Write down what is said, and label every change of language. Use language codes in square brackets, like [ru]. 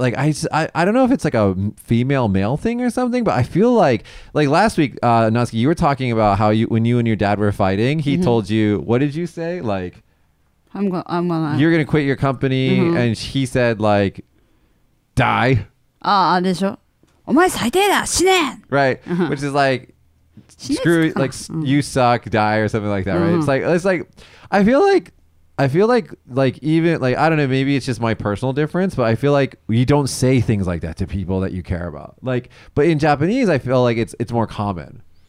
[en] Like, I don't know if it's like a female male thing or something, but I feel like last week, Natsuki, you were talking about how when you and your dad were fighting, he told you, what did you say? Like, I'm gonna you're gonna quit your company, and he said like, die. [ja] Ah, でしょ。お前最低だ。死ね。 [en] Right, which is like, screw you, like you suck, die or something like that, right? It's like I feel like even like, I don't know, maybe it's just my personal difference, but I feel like you don't say things like that to people that you care about. Like, but in Japanese, I feel like it's more common.